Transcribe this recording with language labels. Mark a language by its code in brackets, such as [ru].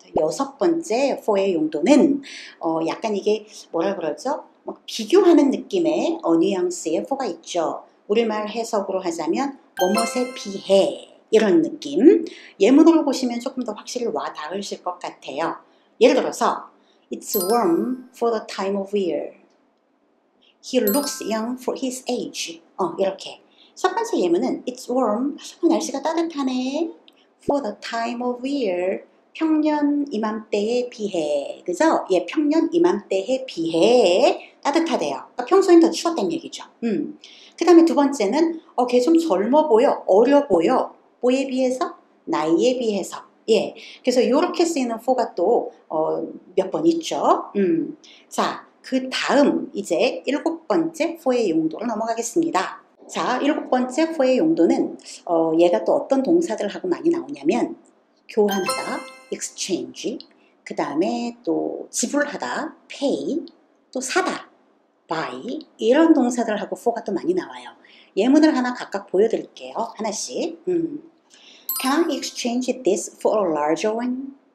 [ko] 여섯 번째 for의 용도는 약간 이게 뭐라 그러죠? 막 비교하는 느낌의 뉘앙스의 for가 있죠. 우리말 해석으로 하자면 뭐뭇에 비해 이런 느낌. 예문으로 보시면 조금 더 확실히 와닿으실 것 같아요. 예를 들어서 [en] It's warm for the time of year. He looks young for his age. [ko] 이렇게. 첫 번째 예문은 [en] It's warm. [ko] 날씨가 따뜻하네. [en] For the time of year. [ko] 평년 이맘때에 비해. 그죠? 예, 평년 이맘때에 비해. 따뜻하대요. 평소엔 더 추웠단 얘기죠. 그 다음에 두 번째는 걔좀 젊어 보여. 어려 보여. 뭐에 비해서? 나이에 비해서. 예. 그래서 이렇게 쓰이는 for가 또, 몇번 있죠. 자, 그 다음 이제 일곱 번째 for의 용도로 넘어가겠습니다. 자, 일곱 번째 for의 용도는 얘가 또 어떤 동사들하고 많이 나오냐면 교환하다, exchange, 그 다음에 또 지불하다, pay, 또 사다, buy 이런 동사들하고 for가 또 많이 나와요. 예문을 하나 각각 보여드릴게요. 하나씩. [en] Can I exchange this for a larger one?